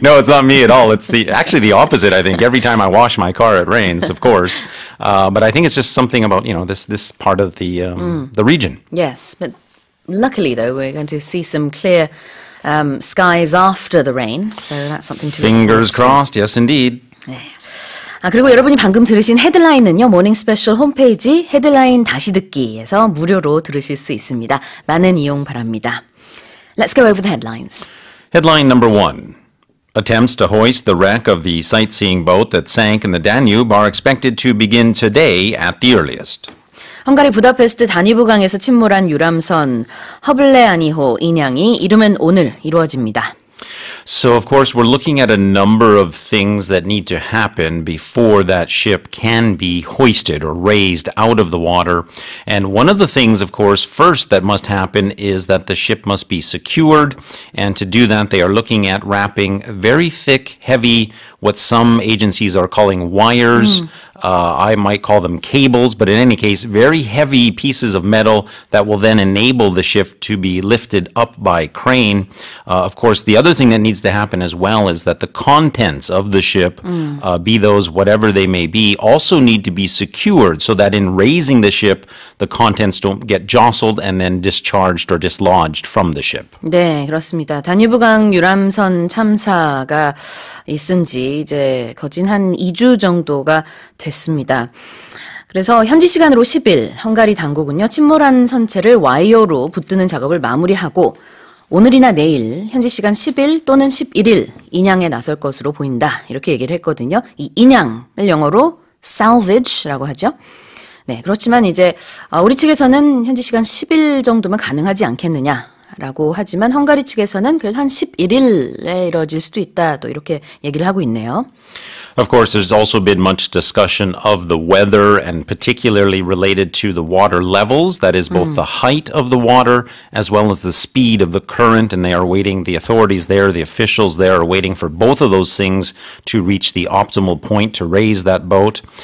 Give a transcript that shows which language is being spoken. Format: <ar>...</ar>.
<en>No, it's not me at all. It's actually the opposite, I think. Every time I wash my car, it rains, of course. But I think it's just something about, you know, this part of the region. Yes, but luckily, though, we're going to see some clear skies after the rain, so that's something to Fingers crossed, yes, indeed.</en> <ko>네. 아, 그리고 여러분이 방금 들으신 헤드라인은요, 모닝 스페셜 홈페이지 헤드라인 다시 듣기에서 무료로 들으실 수 있습니다. 많은 이용 바랍니다.</ko> <en>Let's go over the headlines. Headline number one. Attempts to hoist the wreck of the sightseeing boat that sank in the Danube are expected to begin today at the earliest.</en> <ko>헝가리 부다페스트 다뉴브강에서 침몰한 유람선 허블레아니호 인양이 이르면 오늘 이루어집니다.</ko> <en>So, of course, we're looking at a number of things that need to happen before that ship can be hoisted or raised out of the water. And one of the things, of course, first that must happen is that the ship must be secured. And to do that, they are looking at wrapping very thick, heavy, what some agencies are calling wires. I might call them cables, but in any case, very heavy pieces of metal that will then enable the ship to be lifted up by crane. Of course, the other thing that needs to happen as well is that the contents of the ship, be those whatever they may be, also need to be secured so that in raising the ship, the contents don't get jostled and then discharged or dislodged from the ship.</en> <ko>네, 그렇습니다. 다뉴브강 유람선 참사가 있은 지 이제 거진 한 2주 정도가 됐습니다. 그래서 현지 시간으로 10일 헝가리 당국은요 침몰한 선체를 와이어로 붙드는 작업을 마무리하고 오늘이나 내일 현지 시간 10일 또는 11일 인양에 나설 것으로 보인다 이렇게 얘기를 했거든요. 이 인양을 영어로 salvage라고 하죠. 네, 그렇지만 이제 우리 측에서는 현지 시간 10일 정도면 가능하지 않겠느냐 라고 하지만 헝가리 측에서는 그래도 한 11일에 이뤄질 수도 있다 또 이렇게 얘기를 하고 있네요.</ko> <en>Of course, there's also been much discussion of the weather and particularly related to the water levels. That is both the height of the water as well as the speed of the current. And they are waiting, the authorities there, the officials there are waiting for both of those things to reach the optimal point to raise that boat.</en>